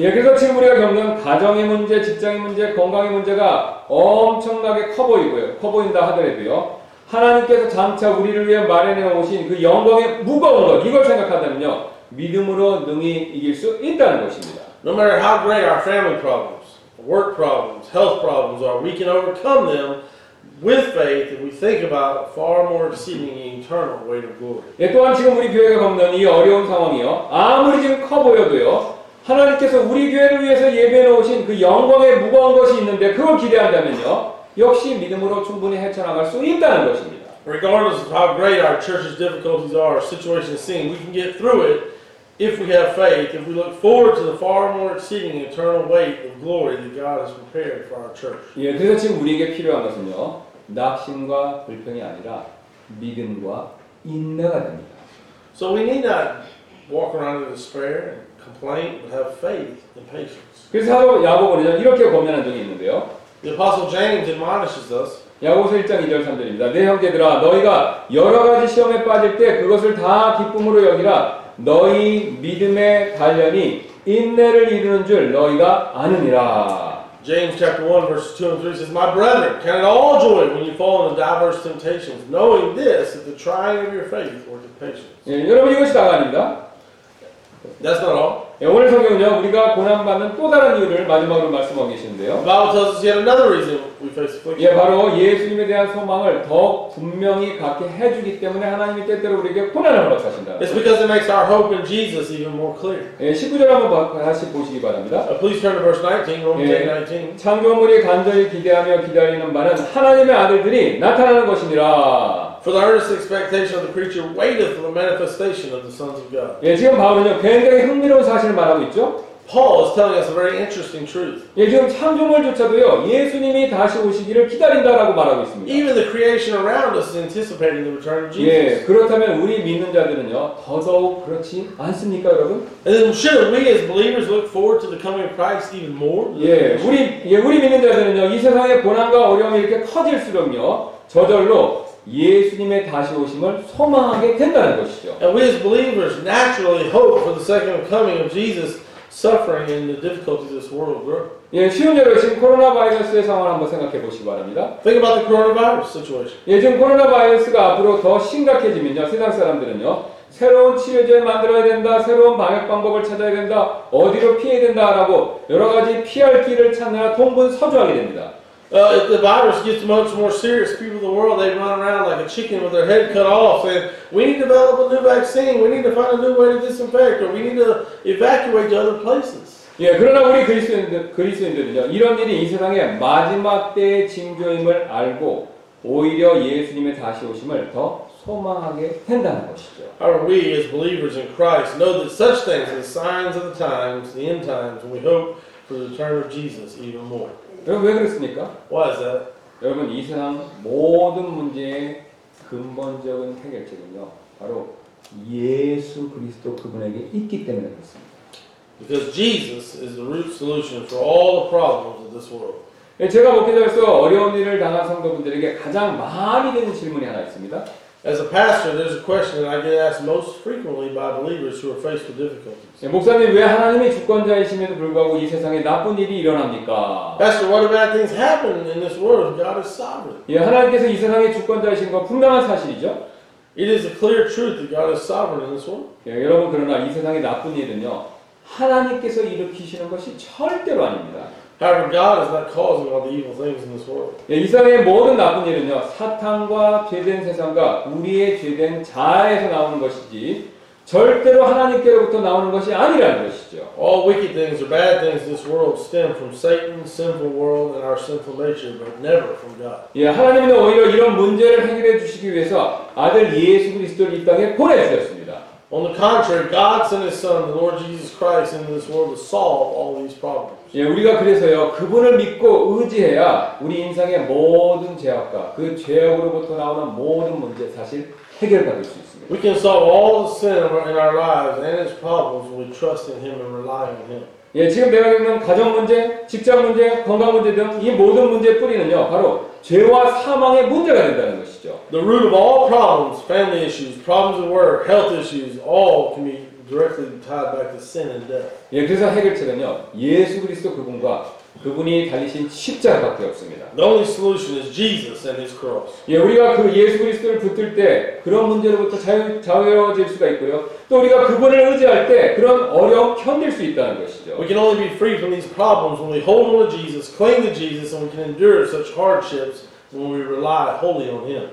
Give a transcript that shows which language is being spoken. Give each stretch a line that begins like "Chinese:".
Korean: 예, 그래서 지금 우리가 겪는 가정의 문제, 직장의 문제, 건강의 문제가 엄청나게 커 보이고요, 커 보인다 하더라도요. 하나님께서 장차 우리를 위해 마련해 오신 그 영광의 무거운 것, 이걸 생각한다면요, 믿음으로 능히 이길 수 있다는 것입니다.
English: No matter how great our family problems, work problems, health problems are, we can overcome them with faith if we think about far more exceeding eternal weight of glory.
Korean: 예, 또한 지금 우리 교회가 겪는 이 어려운 상황이요, 아무리 지금 커 보여도요, 하나님께서 우리 교회를 위해서 예비해 놓으신 그 영광의 무거운 것이 있는데 그걸 기대한다면요, 역시 믿음으로 충분히 헤쳐나갈 수 있다는 것입니다.
English: Regardless of how great our church's difficulties are, our situation seem, we can get through it if we have faith, if we look forward to the far more exceeding eternal weight of glory that God has prepared for our church.
Korean: 예, 그래서 지금 우리에게 필요한 것은요, 낙심과 불평이 아니라 믿음과 인내가 됩니다.
English: So we need not walk around in despair and complain, but have faith and patience.
Korean: 그래서 야고보는 이렇게 권면한 적이 있는데요.
English: The Apostle James admonishes us.
Korean: 야고보서 1장 2절 3절입니다. 내 형제들아, 너희가 여러 가지 시험에 빠질 때 그것을 다 기쁨으로 여기라. 너희 믿음의 단련이 인내를 이루는 줄 너희가 아느니라.
English: James chapter 1 verses 2 and 3 says, My brethren, count it all joy when you fall into diverse temptations, knowing this, that the trying of your faith worketh patience.
Korean: 예, 여러분 이것이 다가 아닙니다.
English: That's not all.
Korean: 예, 오늘 성경은요, 우리가 고난받는 또 다른 이유를 마지막으로 말씀하고 계시는데요.
English: The Bible tells us yet another reason we face affliction.
Korean: 예, 바로 예수님에 대한 소망을 더욱 분명히 갖게 해주기 때문에 하나님이 때때로 우리에게 고난을 허락하신다.
English: It's because it makes our hope in Jesus even more clear.
Korean: 예, 19절 한번 다시 보시기 바랍니다.
English: Please turn to verse 19, Romans 10, 19.
Korean: 창조물이 간절히 기대하며 기다리는 바는 하나님의 아들들이 나타나는 것이니라.
English: For the earnest expectation of the creature waiteth for the manifestation of the sons of God.
Korean: 예, 지금 바울은요, 굉장히 흥미로운 사실을 말하고 있죠.
English: Paul is telling us a very interesting truth.
Korean: 예, 지금 창조물조차도요, 예수님이 다시 오시기를 기다린다라고 말하고 있습니다.
English: Even the creation around us is anticipating the return of Jesus.
Korean: 예, 그렇다면 우리 믿는 자들은요, 더더욱 그렇지 않습니까, 여러분?
English: And then should we as believers look forward to the coming of Christ even more?
Korean: 예, 우리 믿는 자들은요, 이 세상의 고난과 어려움이 이렇게 커질수록요, 저절로 예수님의 다시 오심을 소망하게 된다는 것이죠.
English: And we as believers naturally hope for the second coming of Jesus suffering in the difficulties of this world, bro.
Korean: 예, 쉬운 예로 지금 코로나 바이러스의 상황을 한번 생각해 보시기 바랍니다.
English: Think about the coronavirus situation.
Korean: 예, 지금 코로나 바이러스가 앞으로 더 심각해지면요, 세상 사람들은요, 새로운 치료제 만들어야 된다, 새로운 방역 방법을 찾아야 된다, 어디로 피해야 된다라고 여러 가지 피할 길을 찾느라 동분서주하게 됩니다.
English: If the virus gets much more serious, people of the world, they run around like a chicken with their head cut off saying, we need to develop a new vaccine, we need to find a new way to disinfect, or we need to evacuate to other places.
Korean: 예, 그러나 우리 그리스도인들은요, 이런 일이 이 세상의 마지막 때의 징조임을 알고 오히려 예수님의 다시 오심을 더 소망하게 된다는 것이죠.
English: However, we as believers in Christ know that such things are the signs of the times, the end times, and we hope for the return of Jesus even more.
Korean: 여러분 왜 그랬습니까?
English: Why is that?
Korean: 여러분 이 세상 모든 문제의 근본적인 해결책은요 바로 예수 그리스도 그분에게 있기 때문에 그렇습니다.
English: Because Jesus is the root solution for all the problems of this world.
Korean: 제가 목회자로서 어려운 일을 당한 성도분들에게 가장 많이 드는 질문이 하나 있습니다.
English: As a pastor, there's a question that I get asked most frequently by believers who are faced with difficulties.
Korean: 예, 목사님, 왜 하나님이 주권자이심에도 불구하고 이 세상에 나쁜 일이 일어납니까?
English: Pastor, what bad things happen in this world if God is sovereign?
Korean: 예, 하나님께서 이 세상에 주권자이신 건 분명한 사실이죠?
English: It is a clear truth that God is sovereign in this world.
Korean: 예, 여러분, 그러나 이 세상에 나쁜 일은요, 하나님께서 일으키시는 것이 절대로 아닙니다.
English: However, God is not causing all the evil things in this world.
Korean: 예, 이 세상의 모든 나쁜 일은요, 사탄과 죄된 세상과 우리의 죄된 자아에서 나오는 것이지 절대로 하나님께로부터 나오는 것이 아니라는 것이죠.
English: All wicked things or bad things in this world stem from Satan, sinful world, and our sinful nature, but never from God.
Korean: 예, 하나님은 오히려 이런 문제를 해결해 주시기 위해서 아들 예수 그리스도를 이 땅에 보내주셨습니다.
English: On the contrary, God sent His Son, the Lord Jesus Christ, into this world to solve all these problems.
Korean: 예, 우리가 그래서요, 그분을 믿고 의지해야 우리 인생의 모든 죄악과 그 죄악으로부터 나오는 모든 문제 사실 해결받을 수 있습니다.
English: We can solve all the sin in our lives and its problems when we trust in Him and rely on Him.
Korean: 예, 지금 내가 겪는 가정 문제, 직장 문제, 건강 문제 등 이 모든 문제의 뿌리는요, 바로 죄와 사망의 문제가 된다는 것이죠.
English: The root of all problems, family issues, problems at work, health issues, all can be directly tied back to sin and death.
Korean: 예, 그래서 해결책은요, 예수 그리스도 그분과 그분이 달리신 십자가밖에 없습니다.
English: The only solution is Jesus and His cross.
Korean: 예, 우리가 그 예수 그리스도를 붙들 때 그런 문제로부터 자유로워질 수가 있고요. 또 우리가 그분을 의지할 때 그런 어려움 견딜 수 있다는 것이죠.
English: We can only be free from these problems when we hold on to Jesus, cling to Jesus, and we can endure such hardships when we rely wholly on Him.